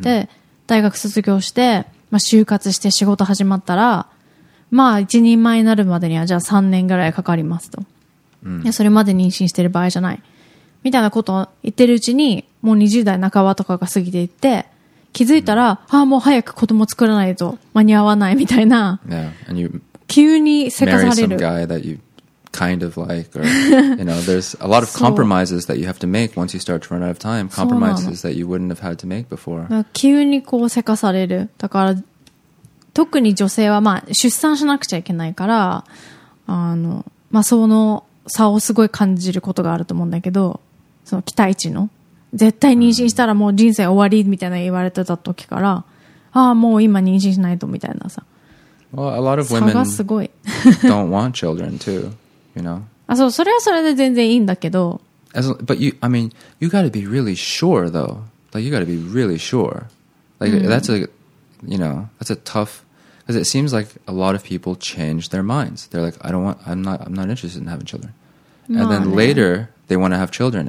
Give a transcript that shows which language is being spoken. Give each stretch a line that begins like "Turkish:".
Japanese: で大学卒業して、まあ、就活して仕事始まったら、まあ一人前になるまでにはじゃあ3年ぐらいかかりますと、 mm-hmm. でそれまで妊娠してる場合じゃないみたいなことを言ってるうちに、もう20代半ばとかが過ぎていって、気づいたら、mm-hmm. ああもう早く子供作らないと間に合わないみたいな、
English: yeah. And you
Japanese: 急にせかされる
English: marry some guy that youKind of like, or, you know, there's a lot of compromises that you have to make once you start to run out of time. Compromises that you wouldn't have had to make before.
Japanese: 急にこうせかされる。だから特に女性はまあ出産しなくちゃいけないから、まあその差をすごい感じることがあると思うんだけど、その期待値の絶対妊娠したらもう人生終わりみたいな言われてた時から、ああもう今妊娠しないとみたいなさ。
English: Well, a lot of women don't want children too. You know?
Japanese: あ、そう、それはそれで全然いいんだけど。
English: As, but you, I mean, you gotta be really sure though. Like, you gotta be really sure. Like,、mm-hmm. that's a, you know, that's a tough, because it seems like a lot of people change their minds. They're like, I'm not interested in having children. And then later, they want to have children.